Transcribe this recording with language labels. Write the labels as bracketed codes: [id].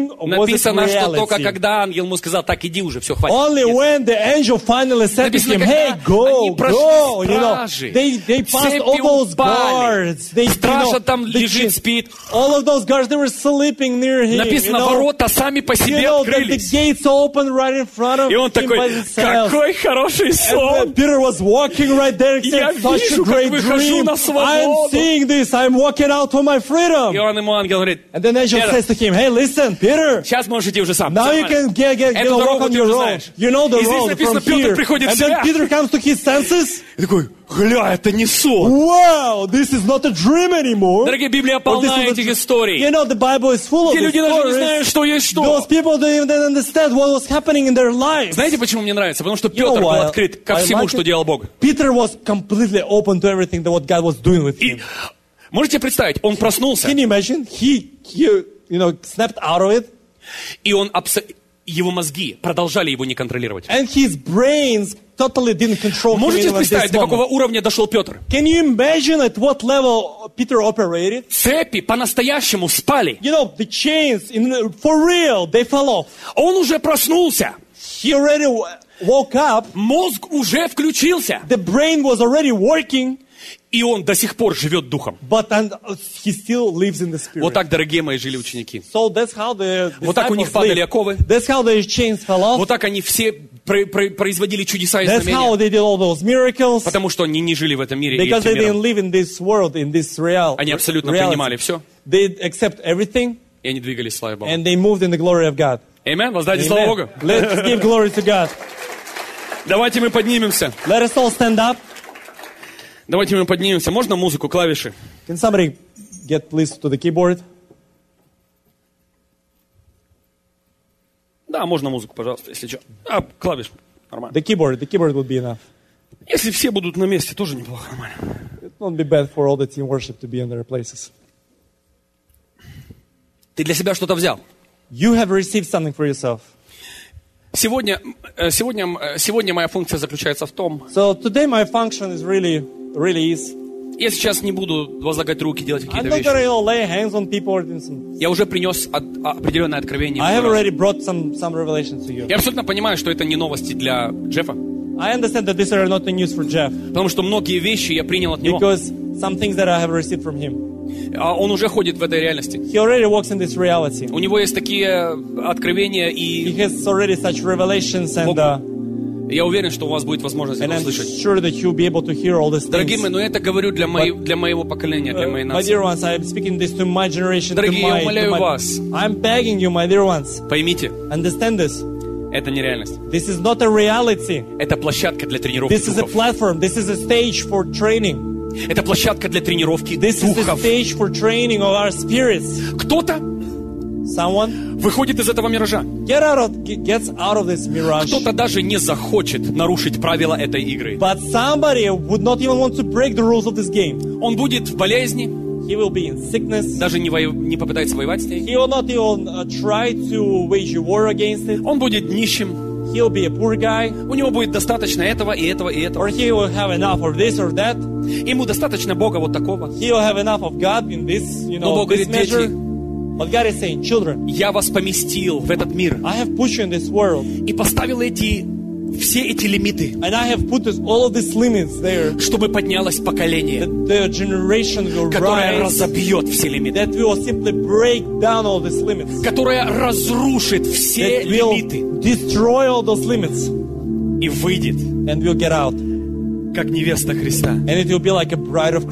[ru] Написано, что только когда ангел ему сказал, так иди уже, все, хватит. [en] Only when the angel finally said [ru] написано, [en] to him, hey, go, go, you know, they passed all those guards. [ru] Стража там лежит, спит. [en] All of those guards, they were sleeping near him. [ru] Написано, ворота сами по себе открылись. [en] The gates open right in front of [ru] и он такой, какой хороший сон. [en] And Peter was walking right there. [ru] Я вижу, как выхожу [en] dream. [ru] На свободу. [en] I'm seeing this. I'm walking out to my freedom. [ru] И он ему ангел говорит, [en] and then angel says to him, hey, listen, Peter. [ru] Сейчас можешь идти уже сам. [en] Now you can get you know, walk on your own. You know the road from here. [ru] Приходит [en] and then Peter comes to his senses. [ru] И такой, гля, это не сон. [en] Wow, this is not a dream anymore. [ru] Дорогие, Библия полна этих историй. [en] You know, the Bible is full of these [ru] Те люди даже не знают, что есть что. [en] Those people don't even understand what was happening in their lives. [ru] Знаете, почему мне нравится? Потому что Петр был открыт ко всему, что делал Бог. [en] Peter was completely open to everything that what God was doing with him. [ru] Можете представить, он проснулся. [en] Can you imagine? He you know, snapped out of it. [ru] И он его мозги продолжали его не контролировать. [en] And his brains totally didn't control him. [ru] Можете представить, до какого уровня дошел Петр? [en] Can you imagine at what level Peter operated? [ru] Цепи по-настоящему спали. [en] You know, the chains in the, for real, they fell off. [ru] Он уже проснулся. [en] He already woke up. [ru] Мозг уже включился. [en] The brain was already working. [ru] И он до сих пор живет духом. [en] He still lives in the spirit. [ru] Вот так, дорогие мои, жили ученики. [en] So that's how the disciples [ru] вот так у них падали оковы. [en] That's how the chains fell off. [ru] Вот так они все производили чудеса и [en] that's [ru] знамения. [en] How they did all those miracles. [ru] Потому что они не жили в этом мире. [en] Because [ru] и этим [en] they didn't live in this world, in this real, [ru] они абсолютно reality. Принимали все. [en] They accept everything. [ru] И они двигались, слава Богу. [en] And they moved in the glory of God. [ru] Amen. Воздайте слава Богу. [en] Let's give glory to God. [ru] Давайте мы поднимемся. [en] Let us all stand up. [ru] Давайте мы поднимемся. Можно музыку, клавиши? [en] Can somebody get please to the keyboard? [ru] Да, можно музыку, пожалуйста, если что. А, клавиш, нормально. [en] The keyboard would be enough. [ru] Если все будут на месте, тоже неплохо, нормально. [en] It won't be bad for all the team worship to be in their places. [ru] Ты для себя что-то взял? [en] You have received something for yourself. [ru] Сегодня моя функция заключается в том... [en] So today my function is really... Really is. [ru] Я сейчас не буду возлагать руки, делать какие-то вещи. [en] I'm not gonna lay hands on people or anything. [ru] Я уже принес определенное откровение. [en] I have already brought some revelation to you. [ru] Я абсолютно понимаю, что это не новости для Джеффа. [en] I understand that these are not the news for Jeff. [ru] Потому что многие вещи я принял от [en] Because [ru] него. [en] Because some things that I have received from him. [ru] Он уже ходит в этой реальности. [en] He already walks in this reality. [ru] У него есть такие откровения и. [en] He has already such revelations and. [ru] Я уверен, что у вас будет возможность [en] and [ru] его [en] I'm [ru] слышать. [en] Sure that you'll be able to hear all these things. [ru] Дорогие мои, но это говорю для, для моего поколения, для моей нации. [en] My dear ones, I'm speaking this to my generation. [ru] Дорогие, [en] to my, [ru] я умоляю [en] to my, [ru] вас. [en] I'm begging you, my dear ones. [ru] Поймите. [en] Understand this. [ru] Это не реальность. [en] This is not a reality. [ru] Это площадка для тренировки [en] This is [ru] духов. [en] A platform. This is a stage for training. [ru] Это площадка для тренировки [en] this [ru] духов. [en] This is a stage for training of our spirits. [ru] Кто-то [en] Someone [ru] выходит из этого миража. [en] Gets out of this mirage. [ru] Кто-то даже не захочет нарушить правила этой игры. [en] But somebody would not even want to break the rules of this game. [ru] Он будет в болезни. [en] He will be in sickness. [ru] Даже не попытается воевать с ней. [en] He will not even try to wage war against it. [ru] Он будет нищим. [en] He'll be a poor guy. [ru] У него будет достаточно этого и этого и этого. [en] Or he will have enough of this or that. [ru] Ему достаточно Бога вот такого. [en] He will have enough of God in this, you know, [ru] Но Бог говорит, [en] this measure. [ru] Дети, [en] But God is saying, children, [ru] я вас поместил в этот мир. [en] I have put you in this world. [ru] И поставил все эти лимиты. [en] And I have put all of these limits there. [ru] Чтобы поднялось поколение. [en] That the generation will rise. [ru] Которое разобьет все лимиты. [en] That will simply break down all these limits. [ru] Которое разрушит все [en] that will [ru] лимиты. [en] Destroy all those limits. [ru] И выйдет. [en] And will get out. [ru] Как невеста Христа. [en] And it will be like a bride of Christ.